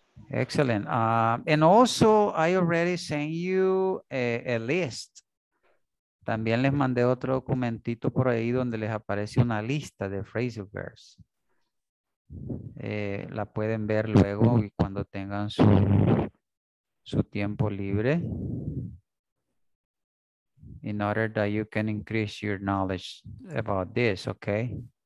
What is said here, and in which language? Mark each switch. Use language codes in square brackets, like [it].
[en] And also, I already sent you a list. [es] También les mandé otro documentito por ahí donde les aparece una lista de phrasal verbs. La pueden ver luego y cuando tengan su tiempo libre. [en] In order that you can increase your knowledge about this, okay?